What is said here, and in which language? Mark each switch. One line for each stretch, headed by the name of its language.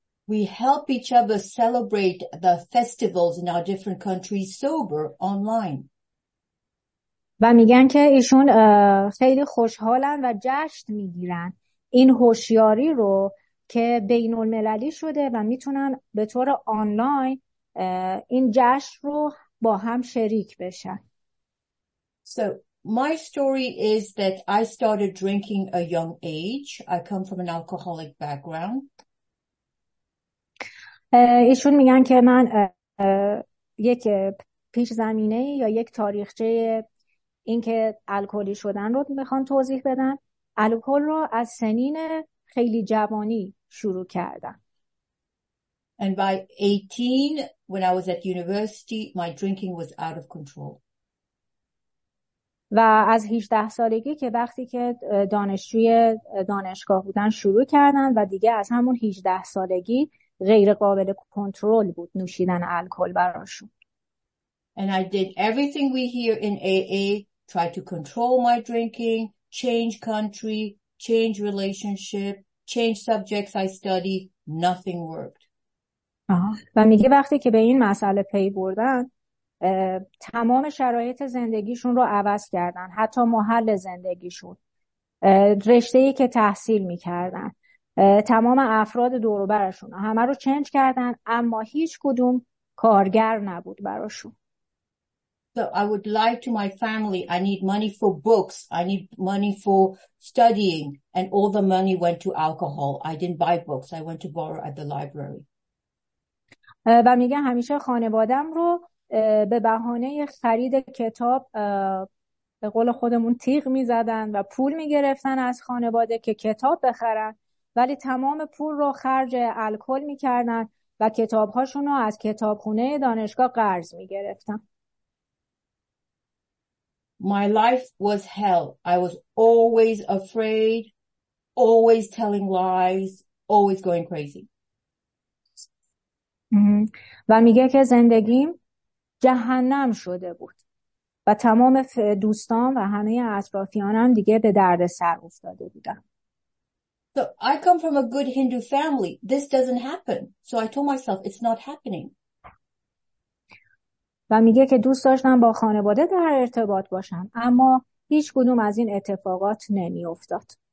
English: We help each other celebrate the festivals in our different countries sober online.
Persian: و میگن که ایشون خیلی خوشحالن و جشن میگیرن این هوشیاری رو که بین المللی شده و میتونن به طور آنلاین این جشن رو با هم شریک بشن.
English: So my story is that I started drinking a young age. I come from an alcoholic background.
Persian: ایشون میگن که من یک پیش زمینه یا یک تاریخچه این که الکلی شدن رو میخوان توضیح بدن. الکل رو از سنین خیلی جوانی شروع کردم.
English: And by 18, when I was at university, my drinking was out of control.
Persian: و از 18 سالگی که وقتی که دانشجوی دانشگاه بودن شروع کردن و دیگه از همون 18 سالگی غیر قابل کنترل بود نوشیدن الکل براشون.
English: And I did everything we hear in AA, try to control my drinking, change country, change relationship, change subjects I study, nothing worked.
Persian: و میگه وقتی که به این مسئله پی بردن تمام شرایط زندگیشون رو عوض کردن، حتی محل زندگیشون، رشته‌ای که تحصیل میکردن، تمام افراد دور و برشون همه رو چنج کردن، اما هیچ کدوم کارگر نبود براشون.
English: So I would lie to my family, I need money for books, I need money for studying, and all the money went to alcohol. I didn't buy books, I went to borrow at the library.
Persian: و میگه همیشه خانوادم رو به بهانه خرید کتاب به قول خودمون تیغ میزدن و پول میگرفتن از خانواده که کتاب بخرن، ولی تمام پول رو خرج الکل میکردن و کتابهاشون رو از کتابخونه دانشگاه قرض میگرفتن.
English: My life was hell. I was always afraid, always telling lies, always going crazy.
Persian: و میگه که زندگیم جهنم شده بود و تمام دوستان و همه اطرافیانم دیگه به درد سر افتاده بودن.
English: So I come from a good Hindu family. This doesn't happen. So I told myself it's not happening.
Persian: و میگه که دوست داشتم با خانواده در ارتباط باشم، اما هیچ کدوم از این اتفاقات نمی افتاد.